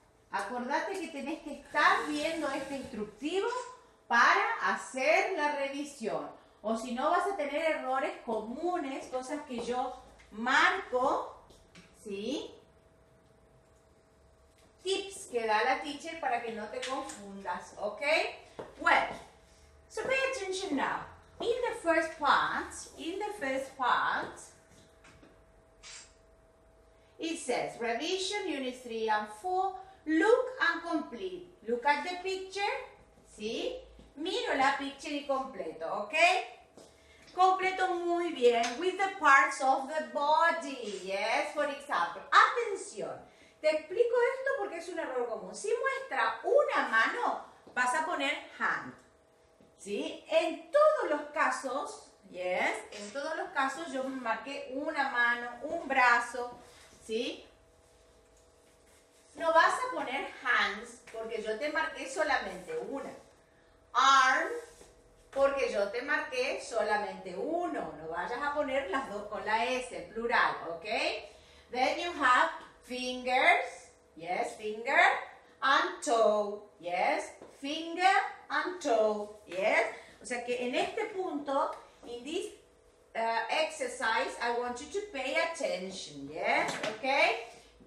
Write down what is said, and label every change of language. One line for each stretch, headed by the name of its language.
Spanish: Acordate que tenés que estar viendo este instructivo para hacer la revisión. O si no, vas a tener errores comunes, cosas que yo marco, ¿sí? Tips que da la teacher para que no te confundas, ¿ok?
English: Well, so pay attention now. In the first part, it says, revision units 3 and 4, look and complete. Look at the picture,
Spanish: ¿sí? Miro la picture y completo, ¿ok? Completo muy bien,
English: with the parts of the body, yes, for example.
Spanish: Atención, te explico esto porque es un error común. Si muestra una mano, vas a poner hand, ¿sí? En todos los casos, yes, en todos los casos yo marqué una mano, un brazo, ¿sí? No vas a poner hands porque yo te marqué solamente una. Arm. Porque yo te marqué solamente uno. No vayas a poner las dos con la S, plural, ¿ok?
English: Then you have fingers, yes, finger, and toe, yes, finger and toe, yes.
Spanish: O sea que en este punto,
English: in this exercise, I want you to pay attention, yes, ¿ok?